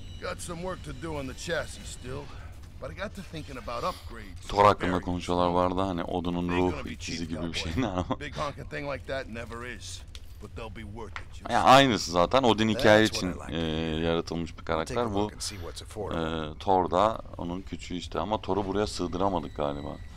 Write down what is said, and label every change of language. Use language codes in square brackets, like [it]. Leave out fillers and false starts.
[en] Got some work to do on the chassis still, but I got to thinking about upgrades. [tr] Thor hakkında konuşuyorlar vardı, hani odunun ruh ikizi gibi bir şey ne ama. [en] Big honking thing like that never is, but they'll be worth it. [tr] Ya aynısı zaten. Odin hikaye için yaratılmış bir karakter bu. Thor da onun küçüğü işte, ama Thor'u buraya sığdıramadık galiba.